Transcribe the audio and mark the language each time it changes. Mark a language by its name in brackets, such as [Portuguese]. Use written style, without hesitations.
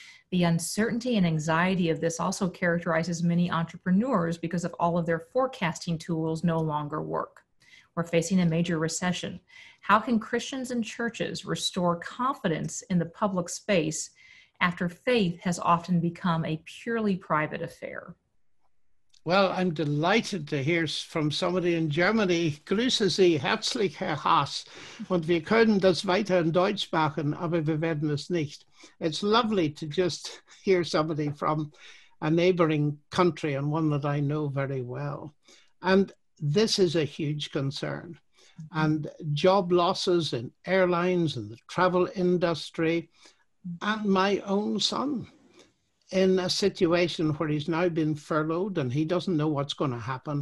[English] The uncertainty and anxiety of this also characterizes many entrepreneurs because of all of their forecasting tools no longer work. We're facing a major recession. How can Christians and churches restore confidence in the public space after faith has often become a purely private affair? Well, I'm delighted to hear from somebody in Germany. [German] Grüße Sie, herzlich, Herr Haas. Und wir können das weiter in Deutsch machen, aber wir werden es nicht. [English] It's lovely to just hear somebody from a neighboring country and one that I know very well. And this is a huge concern. And job losses in airlines and the travel industry, and my own son, in a situation where he's now been furloughed and he doesn't know what's going to happen.